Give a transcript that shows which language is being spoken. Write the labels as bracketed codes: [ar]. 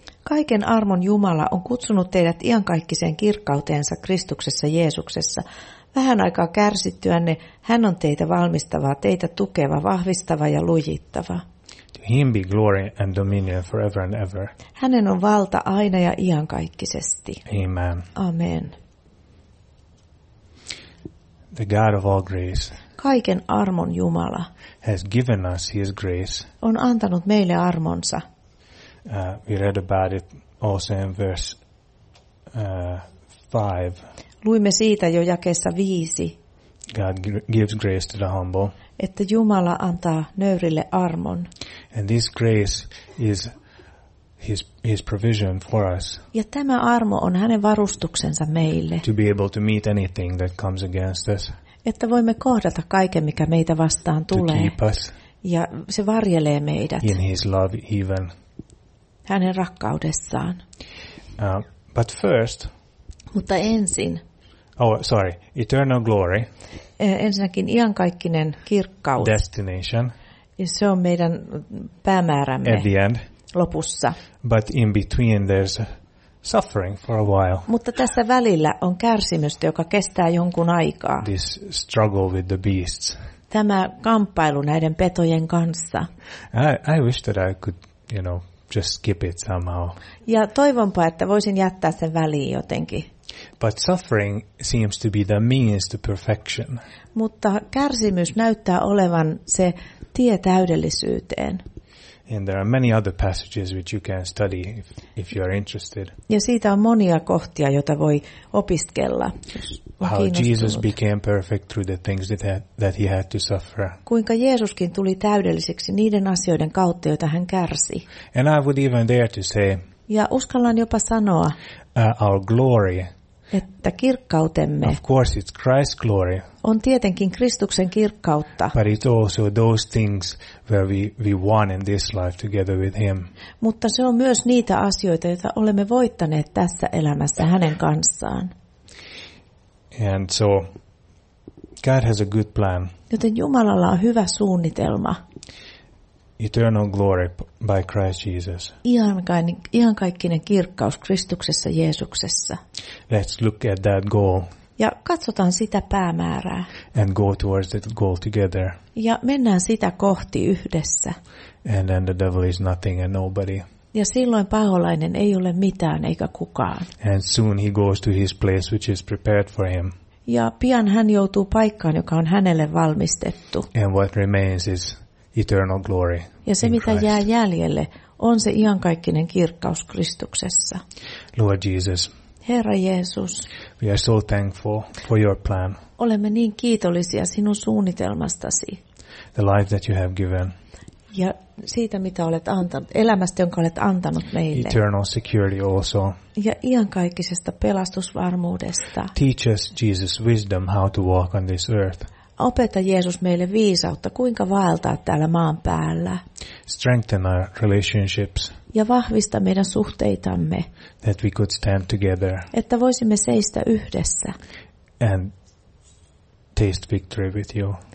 [fi] Kaiken armon Jumala on kutsunut teidät iankaikkiseen kirkkauteensa Kristuksessa Jeesuksessa. Vähän aikaa kärsittyänne, hän on teitä valmistava, teitä tukeva, vahvistava ja lujittava. [en] To him be glory and dominion forever and ever. [fi] Hänen on valta aina ja iankaikkisesti. [en] Amen. [fi] Amen. [en] The God of all grace. [fi] Kaiken armon Jumala [en] has given us his grace. [fi] On antanut meille armonsa. [en] We read about it also in verse 5. [fi] Luimme siitä jo jakeessa 5. [en] God gives grace to the humble. [fi] Että Jumala antaa nöyrille armon. [en] And this grace is his provision for us. [fi] Ja tämä armo on hänen varustuksensa meille. [en] To be able to meet anything that comes against us. [fi] Että voimme kohdata kaiken, mikä meitä vastaan tulee. [en] To keep us. [fi] Ja se varjelee meidät. [en] In his love even. [fi] Hänen rakkaudessaan. [en] But first. [fi] Mutta ensin. [en] Oh, sorry. Eternal glory. [fi] Ensinnäkin iankaikkinen kirkkaus. [en] Destination. [fi] Ja se on meidän päämäärämme. [en] At the end. [fi] Lopussa. [en] But in between there's suffering for a while. [fi] Mutta tässä välillä on kärsimystä, joka kestää jonkun aikaa. [en] This struggle with the beasts. [fi] Tämä kamppailu näiden petojen kanssa. [en] I wish that I could, you know, just skip it somehow. [fi] Ja toivonpa, että voisin jättää sen väliin jotenkin. [en] But suffering seems to be the means to perfection. [fi] Mutta kärsimys näyttää olevan se tie täydellisyyteen. [en] And there are many other passages which you can study if you are interested. [fi] Ja siitä on monia kohtia, joita voi opiskella. [en] How Jesus became perfect through the things that he had to suffer. [fi] Kuinka Jeesuskin tuli täydelliseksi niiden asioiden kautta, joita hän kärsi. [en] And I would even dare to say. [fi] Ja uskallan jopa sanoa. [en] Our glory. [fi] Että kirkkautemme. [en] Of course it's Christ's glory. [fi] On tietenkin Kristuksen kirkkautta. [en] But it's also those things where we won in this life together with him. [fi] Mutta se on myös niitä asioita, joita olemme voittaneet tässä elämässä hänen kanssaan. [en] And so God has a good plan. [fi] Joten Jumalalla on hyvä suunnitelma. [en] Eternal glory by Christ Jesus. [fi] Iankaikkinen kirkkaus Kristuksessa Jeesuksessa. [en] Let's look at that goal. [fi] Ja katsotaan sitä päämäärää. [en] And go towards that goal together. [fi] Ja mennään sitä kohti yhdessä. [en] And then the devil is nothing and nobody. [fi] Ja silloin paholainen ei ole mitään eikä kukaan. [en] And soon he goes to his place which is prepared for him. [fi] Ja pian hän joutuu paikkaan, joka on hänelle valmistettu. [en] And what remains is eternal glory. [fi] Ja se mitä jää jäljelle on se iankaikkinen kirkkaus Kristuksessa. [en] Lord Jesus. [fi] Herra Jeesus. [en] We are so thankful for your plan. [fi] Olemme niin kiitollisia sinun suunnitelmastasi. [en] The life that you have given. [fi] Ja siitä mitä olet antanut, elämästä jonka olet antanut meille. [en] Eternal security also. [fi] Ja iankaikkisesta pelastusvarmuudesta. [en] Teach us Jesus wisdom how to walk on this earth. [fi] Opeta Jeesus meille viisautta, kuinka vaeltaa täällä maan päällä. [en] Strengthen our relationships. [fi] Ja vahvista meidän suhteitamme. [en] That we could stand together. [fi] Että voisimme seistä yhdessä. [en] And taste victory with you.